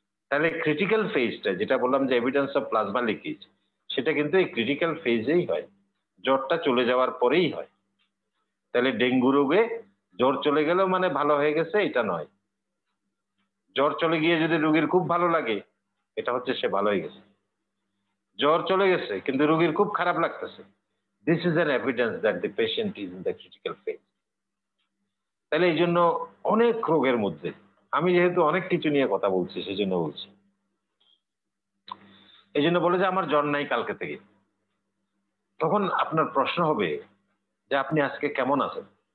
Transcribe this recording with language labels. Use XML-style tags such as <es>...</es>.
<bn>তাহলে ক্রিটিক্যাল ফেজটা যেটা বললাম যে এভিডেন্স অফ প্লাজমা লিকেজ, সেটা কিন্তু এই ক্রিটিক্যাল ফেজেই হয়, জ্বরটা চলে যাওয়ার পরেই হয়। তাহলে ডেঙ্গু রোগে জ্বর চলে গেলেও মানে ভালো হয়ে গেছে এটা নয়, জ্বর চলে গিয়ে যদি রোগীর খুব ভালো লাগে এটা হচ্ছে সে ভালো হয়ে গেছে, জ্বর চলে গেছে কিন্তু রোগীর খুব খারাপ লাগতেছে</bn> <en>This is an evidence that the patient is in the critical phase.</en> <bn>তাহলে এই জন্য অনেক রোগের মধ্যে আমি যেহেতু অনেক কিছু নিয়ে কথা বলছি সেজন্য বলছি এই জন্য বলে যে আমার জ্বর নাই কালকে থেকে তখন আপনার প্রশ্ন হবে যে আপনি আজকে কেমন আছেন</bn>